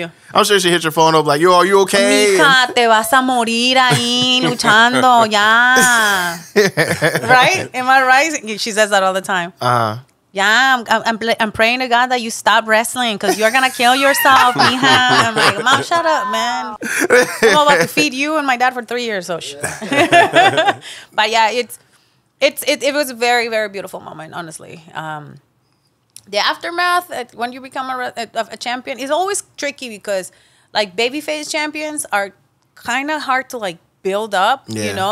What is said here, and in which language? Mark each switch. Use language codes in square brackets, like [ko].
[en] I'm sure she hits your phone up like, yo, are you okay? [es] Mija, te vas a morir ahí luchando, ya. [en] Right? Am I right? She says that all the time. Uh-huh. Yeah, I'm praying to God that you stop wrestling because you're going to kill yourself, mija. I'm like, mom, shut up, man. I'm about to feed you and my dad for 3 years. So. But yeah, it's It was a very, very beautiful moment, honestly. The aftermath, when you become a champion, is always tricky because, like, babyface champions are kind of hard to, like, build up, yeah. You know?